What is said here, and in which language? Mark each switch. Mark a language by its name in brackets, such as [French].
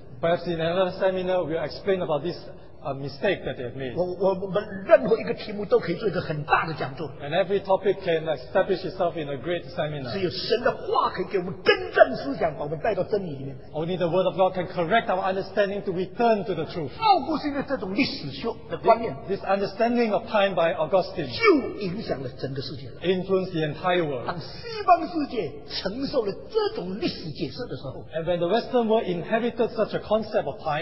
[English] Perhaps in another seminar we'll explain about this mistake that they have made. [Chinese] 我们任何一个题目都可以做一个很大的讲座。 [English] And every topic can establish itself in a great seminar. [Chinese] 只有神的话可以给我们更正思想，把我们带到真理里面。 [English] Only the word of God can correct our understanding to return to the truth. [Chinese] 奥古斯丁的这种历史学的观念, [English] this understanding of time by Augustine, [Chinese] 就影响了整个世界。 [English] Influenced the entire world. [Chinese] 当西方世界承受了这种历史解释的时候, [English] and when the Western world inherited such a concept of time,